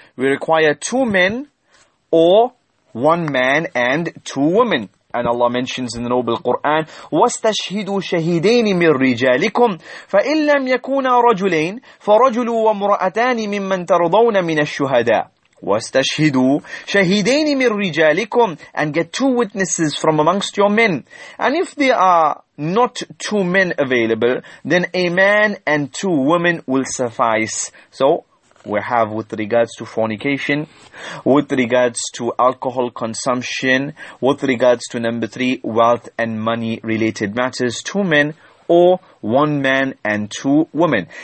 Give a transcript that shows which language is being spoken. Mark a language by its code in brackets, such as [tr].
[en] We require two men or one man and two women. And Allah mentions in the Noble Quran, [ar] وَاسْتَشْهِدُوا شَهِدَيْنِ مِنْ رِجَالِكُمْ فَإِنْ لَمْ يَكُونَ رَجُلَيْنِ فَرَجُلُوا وَمْرَأَتَانِ مِمَّنْ تَرْضَوْنَ مِنَ الشُّهَدَاءِ وَاسْتَشْهِدُوا شَهِدَيْنِ مِنْ رِجَالِكُمْ [en] And get two witnesses from amongst your men. And if there are not two men available, then a man and two women will suffice. So, we have with regards to fornication, with regards to alcohol consumption, with regards to number three, wealth and money related matters, two men or one man and two women.